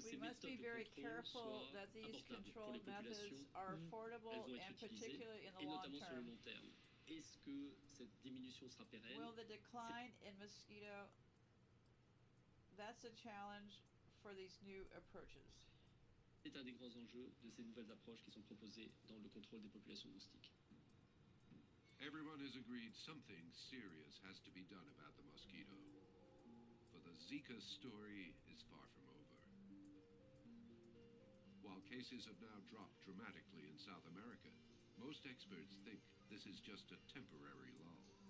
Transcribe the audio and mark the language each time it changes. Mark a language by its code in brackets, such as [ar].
[en] we must be very careful that these control methods are affordable and particularly in the long term. [fr] Est-ce que cette diminution sera pérenne? [en] Will the decline in mosquito, that's a challenge for these new approaches. [fr] C'est un des grands enjeux de ces nouvelles approches qui sont proposées dans le contrôle des populations moustiques. [en] Everyone has agreed something serious has to be done about the mosquito. For the Zika story is far from over. While cases have now dropped dramatically in South America, most experts think this is just a temporary lull.